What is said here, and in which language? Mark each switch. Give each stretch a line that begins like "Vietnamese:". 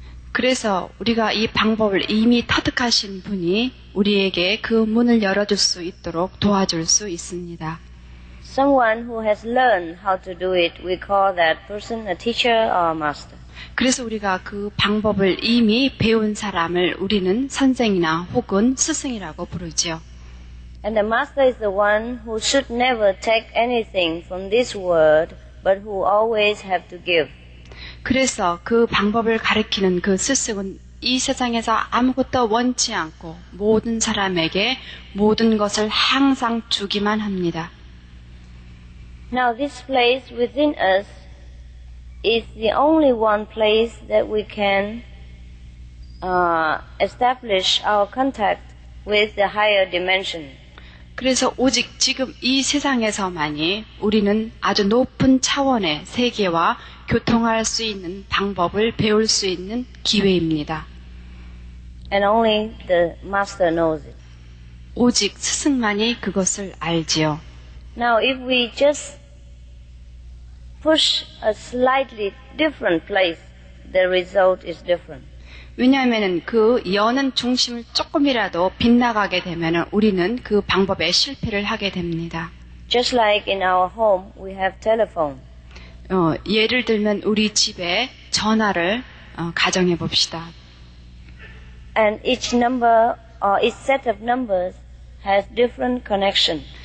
Korean: 그래서 우리가 이 방법을 이미 터득하신 분이 우리에게 그 문을 열어줄 수 있도록 도와줄 수 있습니다.
English: Someone who has learned how to do it, we call that person a teacher or a master.
Korean: 그래서 우리가 그 방법을 이미 배운 사람을 우리는 선생이나 혹은 스승이라고 부르죠.
English: And the master is the one who should never take anything from this world, but who always have to give.
Korean: 그래서 그 방법을 가르치는 그 스승은 이 세상에서 아무것도 원치 않고 모든 사람에게 모든 것을 항상 주기만 합니다.
English: Now this place within us is the only one place that we can establish our contact with the higher dimension.
Korean: 그래서 오직 지금 이 세상에서만이 우리는 아주 높은 차원의 세계와 교통할 수 있는 방법을 배울 수 있는 기회입니다.
English: And only the master knows it.
Korean: 오직 스승만이 그것을 알지요.
English: Now if we just push a slightly different place, the result is different.
Korean: 왜냐하면 그 여는 중심을 조금이라도 빗나가게 되면 우리는 그 방법에 실패를 하게 됩니다.
English: Just like in our home, we have telephone.
Korean: 예를 들면 우리 집에 전화를 가정해 봅시다.
English: And each number or each set of numbers has different connection.